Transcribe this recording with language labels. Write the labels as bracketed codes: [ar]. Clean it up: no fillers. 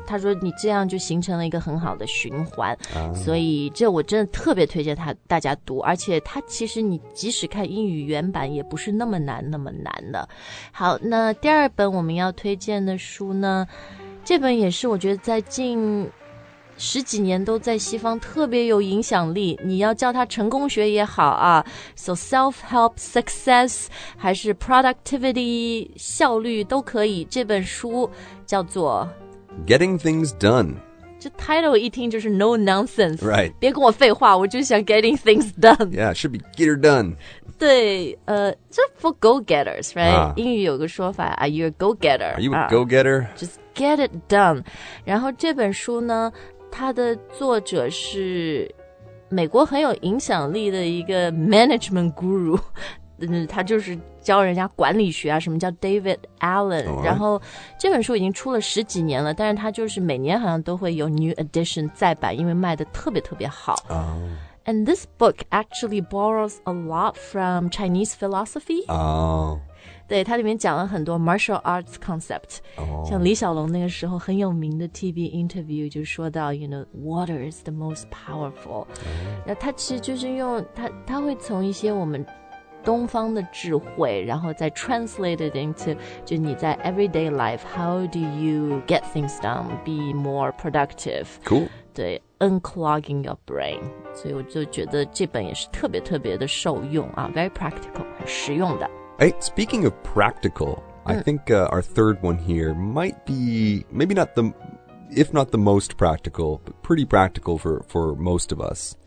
[zh] 他说你这样就形成了一个很好的循环、所以这我真的特别推荐他大家读而且他其实你即使看英语原版也不是那么难那么难的好那第二本我们要推荐的书呢这本也是我觉得在近十几年都在西方特别有影响力你要叫它成功学也好啊 [en] So self-help success [zh] 还是 productivity 效率都可以这本书叫做 [en] Getting Things Done [zh] 这 title 一听就是 [en] no nonsense Right [zh] 别跟我废话我就想 [en] getting things done Yeah, should be get her done 对just for go-getters, right? [zh] 英语有个说法 [en] Are you a go-getter? Are you a go-getter? Just get it done [zh] 然后这本书呢他的作者是美国很有影响力的一个 [en] management guru [zh] 他就是教人家管理学啊什么叫 David Allen、 oh, 然后这本书已经出了十几年了但是他就是每年好像都会有 [en] new edition [zh] 再版因为卖得特别特别好、 oh. [en] And this book actually borrows a lot from Chinese philosophy、 oh. [zh] 对它里面讲了很多 [en] martial arts concept、 oh. [zh] 像李小龙那个时候很有名的 TV interview 就说到 [en] you know, water is the most powerful、 [zh] 那它其实就是用 它会从一些我们东方的智慧然后再 [en] translate it into [zh] 就你在 [en] everyday life how do you get things done be more productive cool [zh] 对 [en] unclogging your brain [zh] 所以我就觉得这本也是特别特别的受用啊 [en] very practical [zh] 很实用的 [en] Hey, speaking of practical, I think our third one here might be, maybe not the, if not the most practical, but pretty practical for most of us.